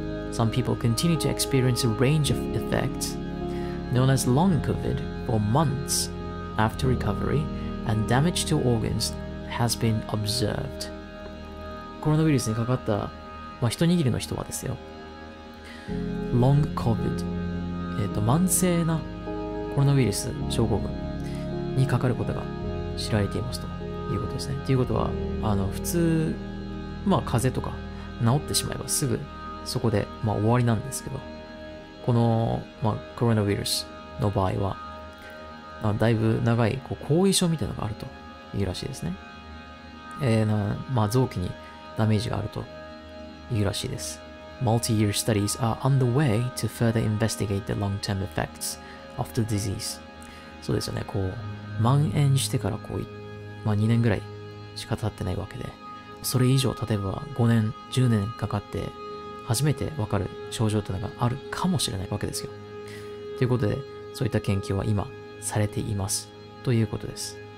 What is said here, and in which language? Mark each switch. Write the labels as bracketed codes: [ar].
[en] Some people continue to experience a range of effects known as long COVID for months after recovery and damage to organs has been observed。 [ja] コロナウイルスにかかった、一握りの人はですよ、Long COVID、慢性なコロナウイルス症候群にかかることが知られていますということですね。ということは、普通、風邪とか治ってしまえばすぐそこで、終わりなんですけど、この、まあ、コロナウイルスの場合は、まあ、だいぶ長いこう後遺症みたいなのがあるというらしいですね。まあ、臓器にダメージがあるというらしいです。 [en] Multi-year studies are underway to further investigate the long-term effects of the disease. [ja] そうですよね。こう、蔓延してからこう、まあ、2年ぐらいしか経ってないわけで、それ以上、例えば5年、10年かかって、初めてわかる症状というのがあるかもしれないわけですよ。ということで、そういった研究は今されていますということです。